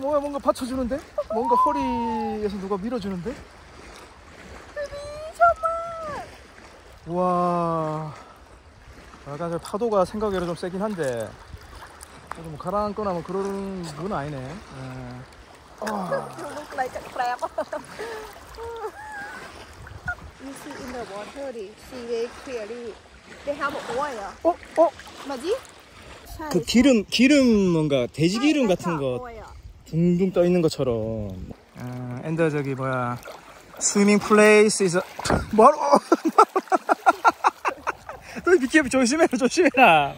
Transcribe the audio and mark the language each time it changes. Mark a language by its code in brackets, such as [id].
[ko] 뭐야, 뭔가 받쳐주는데? 뭔가 허리에서 누가 밀어주는데? Baby, 잠깐만! 우와, 약간 파도가 생각외로 좀 세긴 한데 좀 가라앉거나 하면 그런 건 아니네. [en] You look like a crab. You see in the water, see very clearly. They have oil. [ko] 어? 어? 뭐지? 그 기름, 기름 뭔가 돼지 기름 같은 거 둥둥 떠 있는 것처럼. 앤더 저기 뭐야? [en] Swimming place is [ko] 뭐라고? 너 비키야 조심해라 조심해라.